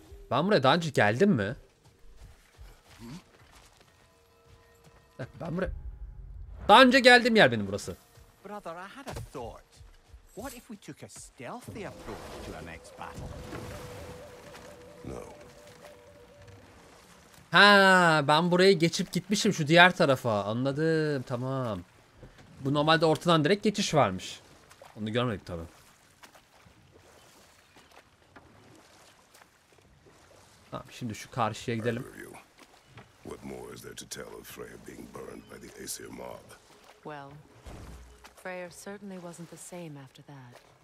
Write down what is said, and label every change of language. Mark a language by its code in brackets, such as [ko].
[tr] Ben buraya daha önce geldim mi? Ben buraya... Daha önce geldiğim yer benim burası. [en] Brother, I had a thought. What if we took a stealthy approach to our next battle? No. [tr] Ha, ben burayı geçip gitmişim şu diğer tarafa. Anladım, tamam. Bu normalde ortadan direkt geçiş varmış. Onu görmedik tabii. Tamam, şimdi şu karşıya gidelim. [en] What more is there to tell of Freya being burned by the Aesir mob? Well, Freya certainly wasn't the same after that.